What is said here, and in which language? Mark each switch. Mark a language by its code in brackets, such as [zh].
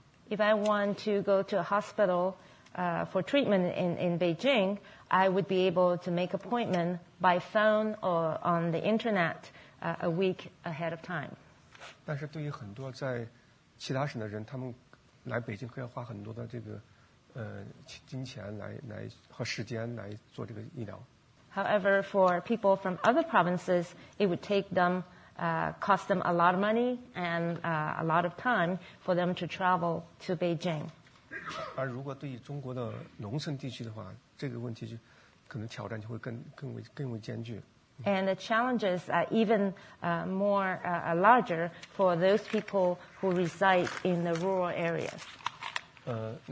[en] If I want to go to a hospital for treatment in Beijing, I would be able to make appointment by phone or on the internet a week ahead of time. [zh] 但是对于很多在其他省的人，他们来北京可要花很多的这个。金钱来和时间来做这个医疗。 [en] However, for people from other provinces, it would take them, cost them a lot of money and a lot of time for them to travel to Beijing. [zh] 而如果对于中国的农村地区的话，这个问题就可能挑战就会更为艰巨。 [en] And the challenges are even more larger for those people who reside in the rural areas.